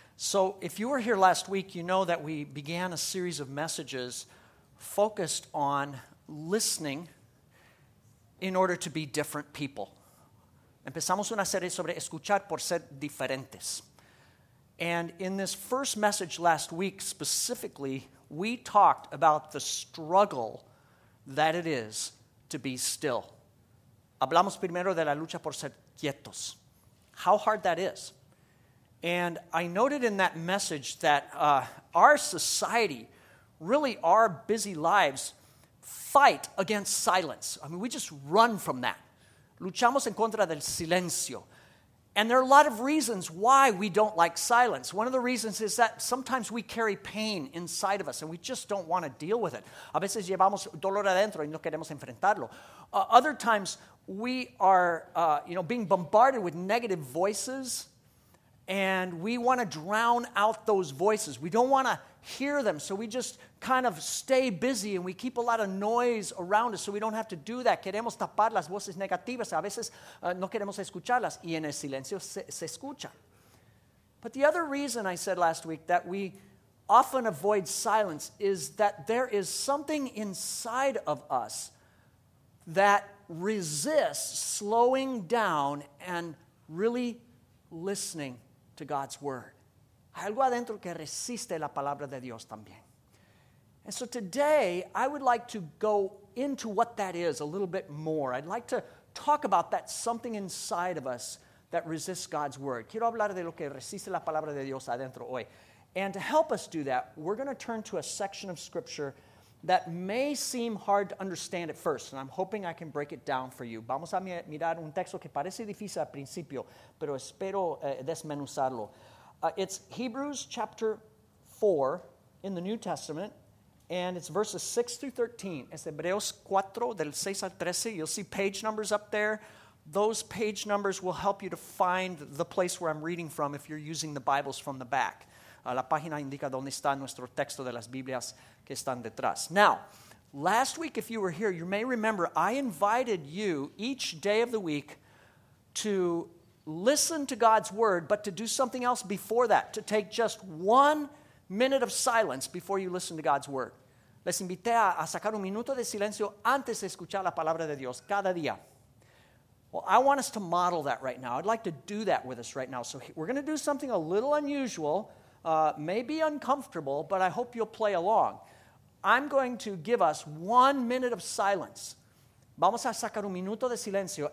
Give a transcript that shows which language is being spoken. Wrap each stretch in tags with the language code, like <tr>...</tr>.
<en>So if you were here last week, you know that we began a series of messages focused on listening in order to be different people.</en> <es>Empezamos una serie sobre escuchar por ser diferentes.</es> <en>And in this first message last week specifically, we talked about the struggle that it is to be still.</en> <es>Hablamos primero de la lucha por ser quietos.</es> <en>How hard that is. And I noted in that message that our society, really our busy lives, fight against silence. I mean, we just run from that.</en> <es>Luchamos en contra del silencio.</es> <en>And there are a lot of reasons why we don't like silence. One of the reasons is that sometimes we carry pain inside of us and we just don't want to deal with it.</en> <es>A veces llevamos dolor adentro y no queremos enfrentarlo.</es> <en>Other times we are being bombarded with negative voices. And we want to drown out those voices. We don't want to hear them. So we just kind of stay busy and we keep a lot of noise around us so we don't have to do that.</en> <es>Queremos tapar las voces negativas. A veces no queremos escucharlas. Y en el silencio se escucha.</es> <en>But the other reason I said last week that we often avoid silence is that there is something inside of us that resists slowing down and really listening to God's word.</en> <es>Hay algo adentro que resiste la palabra de Dios también.</es> <en>And so today, I would like to go into what that is a little bit more. I'd like to talk about that something inside of us that resists God's word.</en> <es>Quiero hablar de lo que resiste la palabra de Dios adentro hoy.</es> <en>And to help us do that, we're going to turn to a section of scripture that may seem hard to understand at first, and I'm hoping I can break it down for you.</en> <es>Vamos a mirar un texto que parece difícil al principio, pero espero desmenuzarlo.</es> <en>It's Hebrews chapter 4 in the New Testament, and it's verses 6 through 13.</en> <es>Es Hebreos 4, del 6 al 13.</es> <en>You'll see page numbers up there. Those page numbers will help you to find the place where I'm reading from if you're using the Bibles from the back.</en> <es>La página indica dónde está nuestro texto de las Biblias que están detrás.</es> <en>Now, last week, if you were here, you may remember I invited you each day of the week to listen to God's word, but to do something else before that, to take just 1 minute of silence before you listen to God's word.</en> <es>Les invité a sacar un minuto de silencio antes de escuchar la palabra de Dios cada día.</es> <en>Well, I want us to model that right now. I'd like to do that with us right now. So we're going to do something a little unusual. Maybe uncomfortable, but I hope you'll play along. I'm going to give us 1 minute of silence.</en> <es>Vamos a sacar un minuto de silencio,</es>